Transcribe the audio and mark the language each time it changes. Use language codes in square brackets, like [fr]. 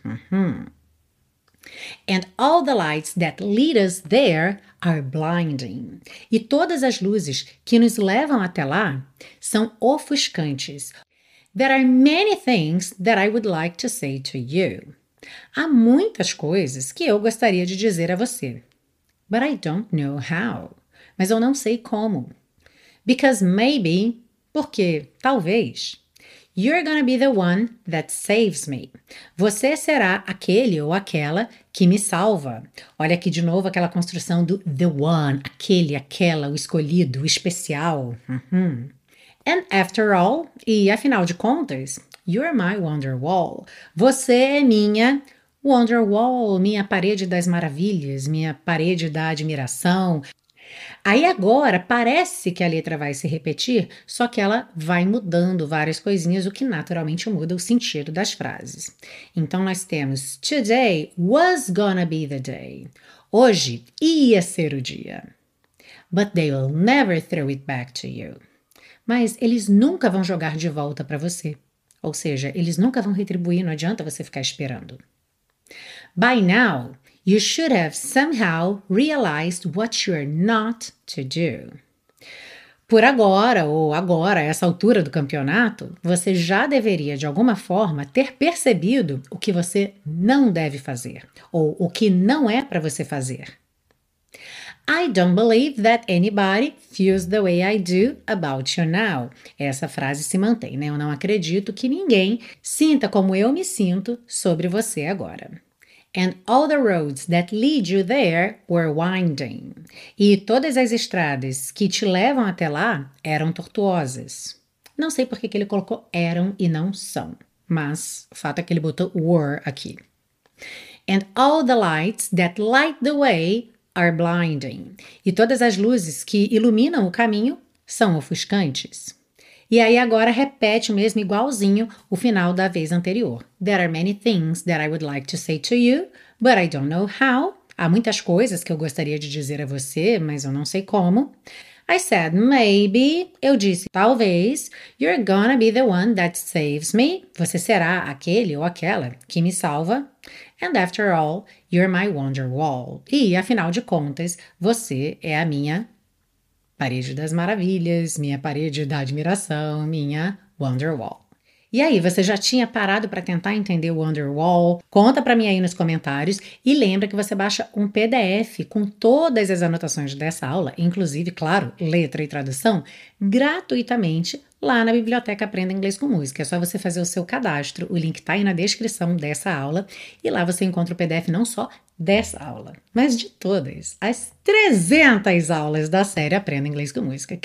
[en] Uhum. And all the lights that lead us there are blinding. [pt] E todas as luzes que nos levam até lá são ofuscantes. [en] There are many things that I would like to say to you. [pt] Há muitas coisas que eu gostaria de dizer a você. [en] But I don't know how. [pt] Mas eu não sei como. [en] Because maybe, [pt] porque talvez... [en] You're gonna be the one that saves me. [pt] Você será aquele ou aquela que me salva. Olha aqui de novo aquela construção do the one, aquele, aquela, o escolhido, o especial. Uhum. [en] And after all, [pt] e afinal de contas, [en] You're my Wonderwall. [pt] Você é minha Wonderwall, minha parede das maravilhas, minha parede da admiração. Aí agora parece que a letra vai se repetir, só que ela vai mudando várias coisinhas, o que naturalmente muda o sentido das frases. Então nós temos [en] today was gonna be the day. [pt] Hoje ia ser o dia. [en] But they will never throw it back to you. [pt] Mas eles nunca vão jogar de volta para você. Ou seja, eles nunca vão retribuir, não adianta você ficar esperando. [en] By now, you should have somehow realized what you're not to do. [pt] Por agora, ou agora, essa altura do campeonato, você já deveria, de alguma forma, ter percebido o que você não deve fazer, ou o que não é para você fazer. [en] I don't believe that anybody feels the way I do about you now. [pt] Essa frase se mantém, né? Eu não acredito que ninguém sinta como eu me sinto sobre você agora. [en] And all the roads that lead you there were winding. [pt] E todas as estradas que te levam até lá eram tortuosas. Não sei por que ele colocou eram e não são, mas o fato é que ele botou were aqui. [en] And all the lights that light the way are blinding. [pt] E todas as luzes que iluminam o caminho são ofuscantes. E aí agora repete o mesmo igualzinho o final da vez anterior. [en] There are many things that I would like to say to you, but I don't know how. [pt] Há muitas coisas que eu gostaria de dizer a você, mas eu não sei como. [en] I said maybe, [pt] eu disse talvez, [en] you're gonna be the one that saves me. [pt] Você será aquele ou aquela que me salva. [en] And after all, you're my Wonderwall. [pt] E afinal de contas, você é a minha parede das maravilhas, minha parede da admiração, minha Wonderwall. E aí, você já tinha parado para tentar entender o Wonderwall? Conta para mim aí nos comentários e lembra que você baixa um PDF com todas as anotações dessa aula, inclusive, claro, letra e tradução, gratuitamente lá na Biblioteca Aprenda Inglês com Música. É só você fazer o seu cadastro, o link está aí na descrição dessa aula e lá você encontra o PDF não só dessa aula, mas de todas as 300 aulas da série Aprenda Inglês com Música.